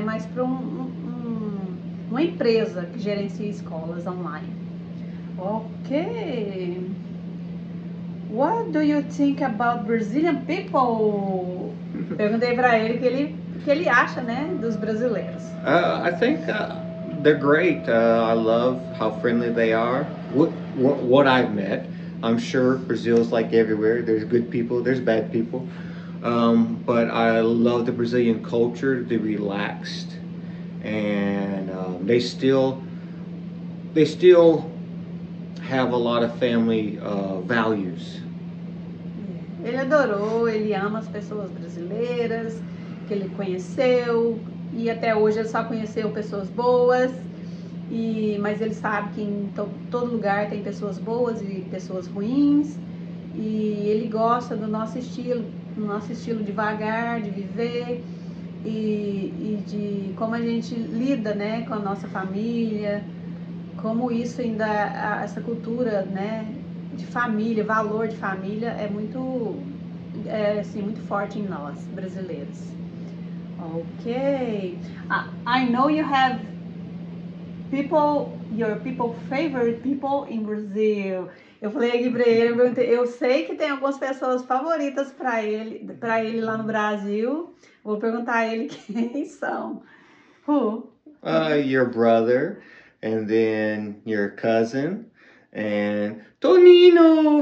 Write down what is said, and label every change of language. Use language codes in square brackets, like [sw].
[pt] Mas para uma empresa que gerencia escolas online. Ok. [en] What do you think about Brazilian people? [pt] Perguntei para ele o que ele acha, né, dos brasileiros. [en] I think they're great. I love how friendly they are. What I've met, I'm sure Brazil's like everywhere. There's good people, there's bad people. But I love the Brazilian culture, the relaxed, and they still have a lot of family values. [pt] Ele adorou, ele ama as pessoas brasileiras que ele conheceu e até hoje ele só conheceu pessoas boas. Mas ele sabe que em todo lugar tem pessoas boas e pessoas ruins. E ele gosta do nosso estilo devagar, de viver e de como a gente lida, né, com a nossa família, como isso ainda essa cultura, né? De família, valor de família é muito, assim, muito forte em nós, brasileiros. Okay. [en] I know you have your people favorite people in Brazil. [pt] Eu falei aqui para ele, eu sei que tem algumas pessoas favoritas para ele lá no Brasil. Vou perguntar a ele quem são. Who? [en] Your brother, and then your cousin, and Tonino,